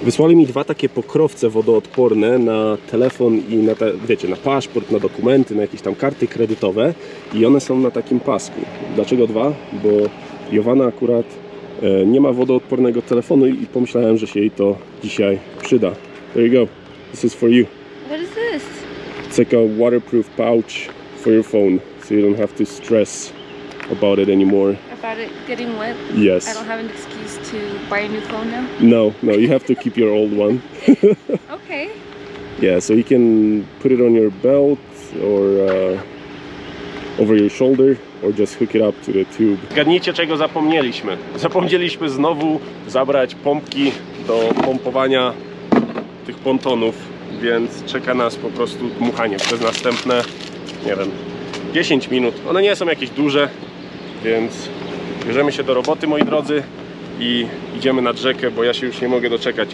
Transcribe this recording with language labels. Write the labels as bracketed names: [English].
[Polish] Wysłali mi dwa takie pokrowce wodoodporne na telefon i na, wiecie, na paszport, na dokumenty, na jakieś tam karty kredytowe i one są na takim pasku. Dlaczego dwa? Bo Jovanna akurat nie ma wodoodpornego telefonu i pomyślałem, że się jej to dzisiaj przyda. [English] There you go. This is for you. What is this? It's like a waterproof pouch for your phone, so you don't have to stress about it anymore. About it getting wet? Yes. I don't have an excuse to buy a new phone now? No, you have to keep your old one. Okay. Yeah, so you can put it on your belt or over your shoulder. Or just hook it up to the tube. [Polish] Gadnijcie, czego zapomnieliśmy. Zapomnieliśmy znowu zabrać pompki do pompowania tych pontonów, więc czeka nas po prostu dmuchanie przez następne, nie wiem, 10 minut. One nie są jakieś duże, więc bierzemy się do roboty, moi drodzy, i idziemy nad rzekę, bo ja się już nie mogę doczekać.